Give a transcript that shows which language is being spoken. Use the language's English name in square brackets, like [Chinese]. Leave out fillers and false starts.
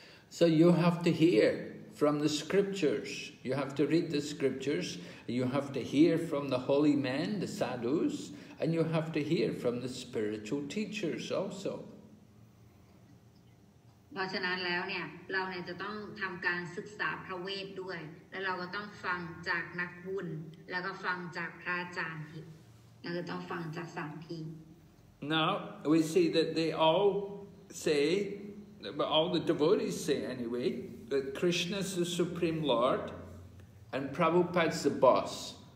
[English] so you have to hear from the scriptures you have to read the scriptures you have to hear from the holy men the sadhus and you have to hear from the spiritual teachers also [Thai] เพราะฉะนั้นแล้วเนี่ยเราเนี่ยจะต้องทำการศึกษาพระเวทด้วยแล้วเราก็ต้องฟังจากนักบุญแล้วก็ฟังจากพระอาจารย์ที่แล้วก็ต้องฟังจากสามที [English] Now we see that they all say but all the devotees say anywayThat Krishna is the supreme lord, and Prabhupada is the boss.